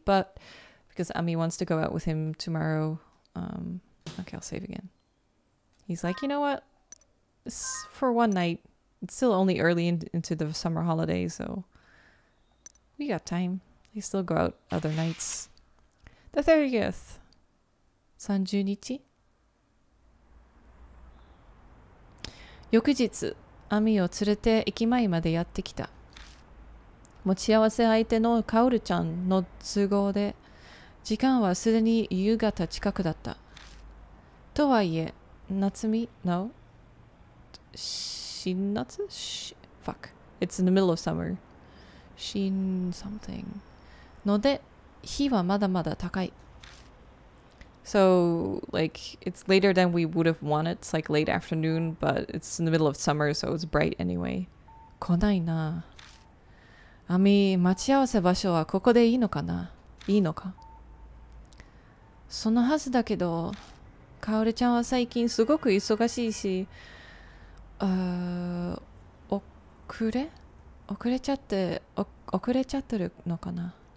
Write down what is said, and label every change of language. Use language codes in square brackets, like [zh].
[en] But because Ami wants to go out with him tomorrow, okay, I'll save again. He's like, you know what? It's for one night. It's still only early into the summer holiday, so we got time. He still go out other nights. The 30th. [ja] 30日翌日アミを連れて駅前までやってきた。持ち合わせ相手のカオルちゃんの都合で時間はすでに夕方近くだった。とはいえ夏み [en] No 新夏 Fuck It's in the middle of summer [ja] 新 [en] something [ja] ので日はまだまだ高い。 [en] So, like, it's later than we would have wanted. It's like late afternoon, but it's in the middle of summer, so it's bright anyway. [ja] 来ないな。アミ、待ち合わせ場所はここでいいのかな?いいのか? そのはずだけど、カオルちゃんは最近すごく忙しいし、遅れちゃってるのかな?